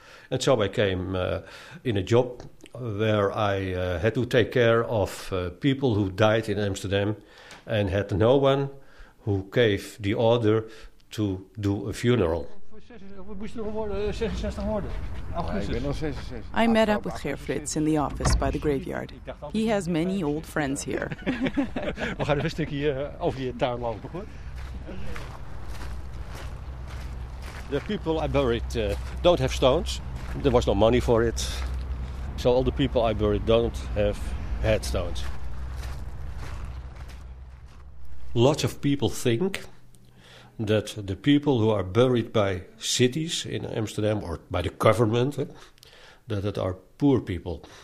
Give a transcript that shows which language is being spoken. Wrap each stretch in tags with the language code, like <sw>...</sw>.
<en>And so I came in a job where I had to take care of people who died in Amsterdam and had no one who gave the order to do a funeral. I met up with Ger Frits in the office by the graveyard. He has many old friends here.</en> <nl>We gaan een stukje over je tuin lopen, hoor.</nl> <en>The people I buried don't have stones. There was no money for it. So all the people I buried don't have headstones. Lots of people think that the people who are buried by cities in Amsterdam or by the government, that are poor people.</en>